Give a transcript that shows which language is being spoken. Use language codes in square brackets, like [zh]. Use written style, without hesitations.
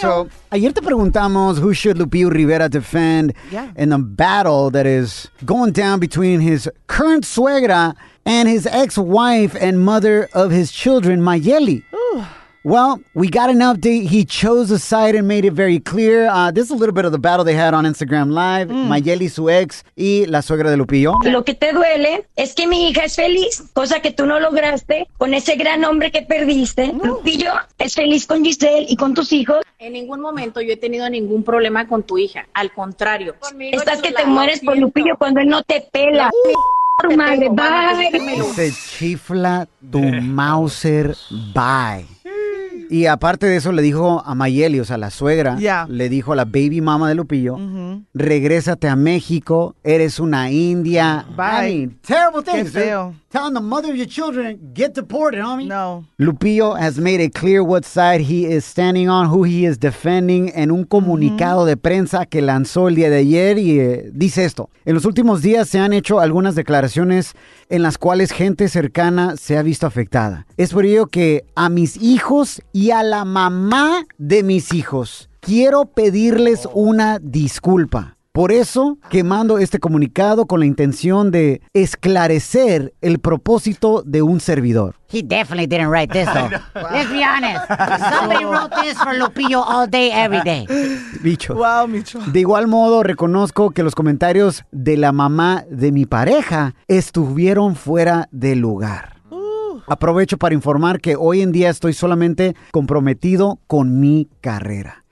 [en] So, [es] ayer te preguntamos [en] who should Lupillo Rivera defend in the battle that is going down between his current suegra and his ex-wife and mother of his children, Mayeli. Well, we got an update. He chose a side and made it very clear. This is a little bit of the battle they had on Instagram Live. [es] Mayeli, su ex, y la suegra de Lupillo. Lo que te duele es que mi hija es feliz, cosa que tú no lograste con ese gran hombre que perdiste. Lupillo es feliz con Giselle y con tus hijos. En ningún momento yo he tenido ningún problema con tu hija. Al contrario. Conmigo estás que te mueres por Lupillo cuando él no te pela. Se chifla tu Mauser. Bye. Y aparte de eso, le dijo a Mayeli, o sea, la suegra, le dijo a la baby mama de Lupillo, regrésate a México, eres una india. [en] Bye. I mean, terrible things. Telling the mother of your children, get deported, homie. No. Lupillo has made it clear what side he is standing on, who he is defending, [es] en un comunicado de prensa que lanzó el día de ayer, y dice esto. En los últimos días se han hecho algunas declaraciones en las cuales gente cercana se ha visto afectada. Es por ello que a mis hijos y a la mamá de mis hijos, quiero pedirles una disculpa. Por eso que mando este comunicado con la intención de esclarecer el propósito de un servidor. [en] He definitely didn't write this, though. Let's be honest. Somebody wrote this for Lupillo all day, every day. Bicho. Wow, Micho. [es] De igual modo, reconozco que los comentarios de la mamá de mi pareja estuvieron fuera de lugar. Aprovecho para informar que hoy en día estoy solamente comprometido con mi carrera.